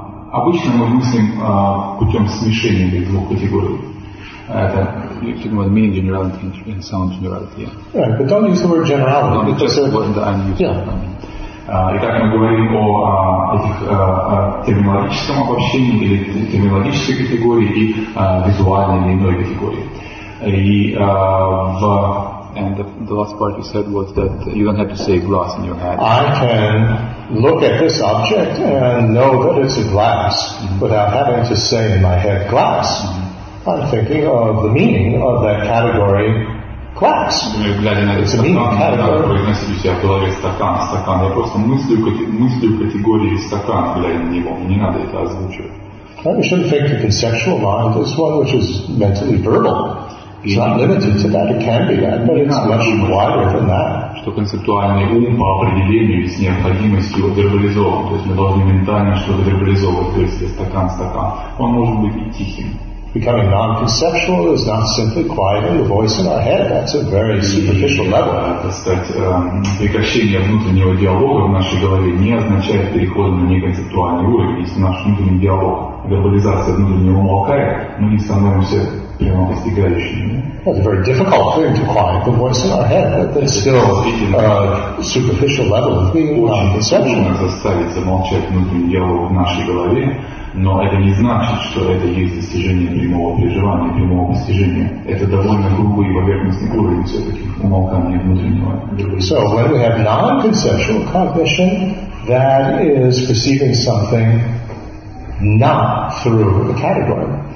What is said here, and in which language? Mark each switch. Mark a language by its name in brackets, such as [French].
[Russian] Обычно мы мыслим путем смешения этих двух категорий. Это [English] you're talking about meaning generality and sound generality. Yeah, but don't use the word generality. No, just what I'm using. [Russian] Итак, мы говорим о этих терминологическом обобщении или терминологической категории и визуальной или иной категории. [English] And the last part you said was that you don't have to say glass in your head. I can look at this object and know that it's a glass without having to say in my head glass. I'm thinking of the meaning of that category class. It's a mean category. Стакан. [Russian] Я просто мыслю категории стакан, глядя на него. Не надо это озвучивать. [English] Well, we shouldn't think the conceptual mind is one which is mentally verbal. It's not limited to that. It can be that, but it's much wider than that. [Russian] Что концептуальный ум по определению с необходимостью вербализован. То есть мы должны ментально что-то вербализовывать, то есть стакан. Он может быть и тихим. [English] Becoming non-conceptual is not simply quieting the voice in our head. That's a very superficial level. [Russian] Прекращение внутреннего диалога в нашей голове не означает переход на неконцептуальный уровень. Если наш внутренний диалог, вербализация внутреннего умолкает, мы не становимся прямо достигающими. [English] It's a very difficult thing to quiet the voice in our head, but there's still a superficial level of being non-conceptual. [Russian] Очень трудно заставить замолчать внутренний диалог в нашей голове. Но это не значит, что это есть достижение прямого переживания, прямого достижения. Это довольно грубый и поверхностный уровень все-таки умолкания внутреннего. [English] So when we have non-conceptual cognition, that is perceiving something not through the category.